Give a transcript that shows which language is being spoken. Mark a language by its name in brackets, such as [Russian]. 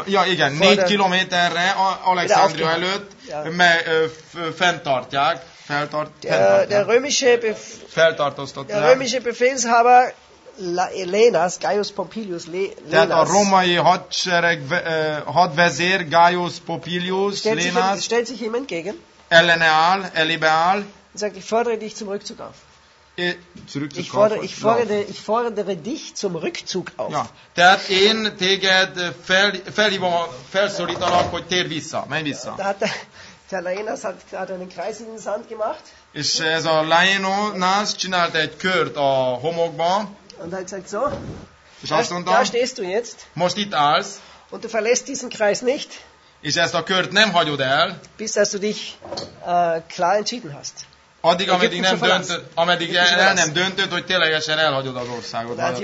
[Hungarian] Ja, igen, 4 Kilometerre Alexandria előtt fenntartják. [German] Der römische Befehlshaber Lenas, Gaius Pompilius Lenas. [Hungarian] Tehát a római hadsereg hadvezér Gaius Pompilius Lenas. [German] Stellt sich jemand gegen? [Hungarian] Ellene áll, elébe áll. [German] Sagt, ich fordere dich zum Rückzug auf. Ich fordere dich zum Rückzug auf. [Hungarian] Ja, tehát én téged felszólítanak, hogy térj vissza, menj vissza. [German] Der Lenas hat einen Kreis in den Sand gemacht. [Hungarian] És ez a Lenas csinált egy kört a homokban. [German] Und hat gesagt so. [Hungarian] És azt mondta, [German] da stehst du jetzt. [Hungarian] Most itt állsz. [German] Und du verlässt diesen Kreis nicht. [Hungarian] És ezt a kört nem hagyod el. [German] Bis dass du dich klar entschieden hast. [Hungarian] Addig, ameddig el nem döntött, hogy ténylegesen elhagyod az országot.